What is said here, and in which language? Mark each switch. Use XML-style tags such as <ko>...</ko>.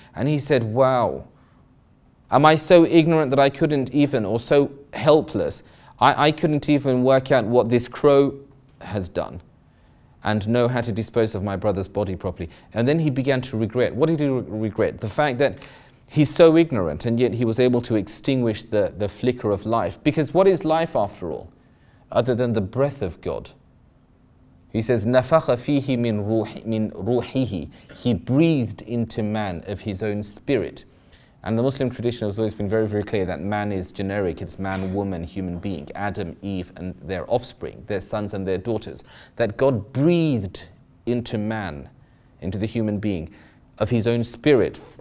<en>And he said, wow, am I so ignorant that I couldn't even, or so helpless, I couldn't even work out what this crow has done and know how to dispose of my brother's body properly. And then he began to regret. What did he regret? The fact that he's so ignorant, and yet he was able to extinguish the flicker of life. Because what is life after all, other than the breath of God? He says,</en> <ar>نَفَخَ فِيهِ مِنْ رُوحِهِ.</ar> <en>He breathed into man of his own spirit. And the Muslim tradition has always been very, very clear that man is generic. It's man, woman, human being, Adam, Eve, and their offspring, their sons and their daughters. That God breathed into man, into the human being, of his own spirit.</en>